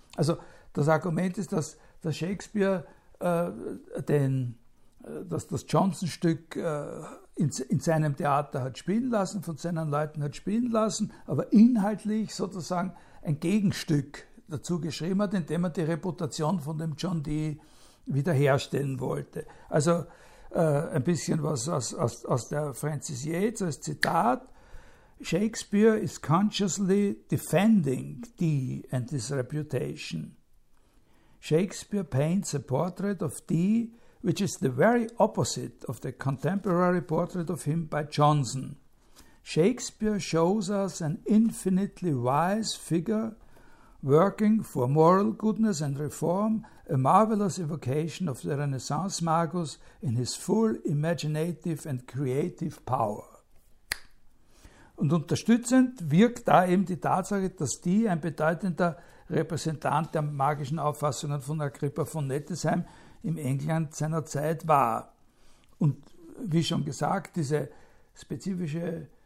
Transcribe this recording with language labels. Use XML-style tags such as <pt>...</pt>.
<de>Also das Argument ist, dass Shakespeare das Johnson-Stück in seinem Theater hat spielen lassen, von seinen Leuten hat spielen lassen, aber inhaltlich sozusagen ein Gegenstück dazu geschrieben hat, indem er die Reputation von dem John Dee wiederherstellen wollte. Also ein bisschen was aus der Frances Yates als Zitat.</de> <en>Shakespeare is consciously defending Dee and his reputation. Shakespeare paints a portrait of Dee which is the very opposite of the contemporary portrait of him by Jonson. Shakespeare shows us an infinitely wise figure working for moral goodness and reform, a marvelous evocation of the Renaissance Magus in his full imaginative and creative power.</en> <de>Und unterstützend wirkt da eben die Tatsache, dass Dee, ein bedeutender Repräsentant der magischen Auffassungen von Agrippa von Nettesheim, im England seiner Zeit war. Und wie schon gesagt, diese spezifische</de>